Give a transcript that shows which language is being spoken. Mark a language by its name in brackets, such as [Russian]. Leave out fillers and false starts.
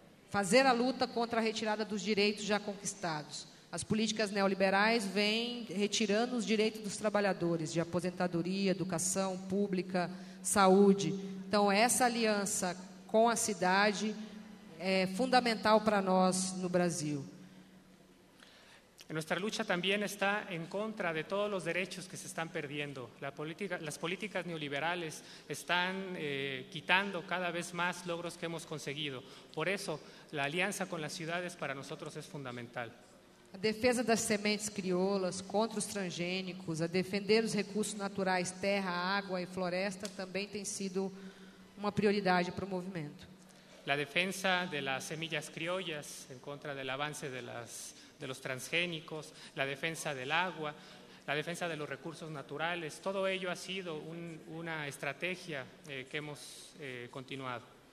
[Portuguese] fazer a luta contra a retirada dos direitos já conquistados. As políticas neoliberais vêm retirando os direitos dos trabalhadores, de aposentadoria, educação pública, saúde. Então, essa aliança com a cidade é fundamental para nós no Brasil. [Spanish] Nuestra lucha también está en contra de todos los derechos que se están perdiendo. Las políticas neoliberales están quitando cada vez más logros que hemos conseguido. Por eso, la alianza con las ciudades para nosotros es fundamental. [Portuguese] A defesa das sementes crioulas, contra os transgênicos, a defender os recursos naturais, terra, água e floresta, também tem sido uma prioridade para o movimento. [Spanish] La defensa de las semillas criollas en contra del avance de los transgénicos, la defensa del agua, la defensa de los recursos naturales, todo ello ha sido una estrategia que hemos continuado.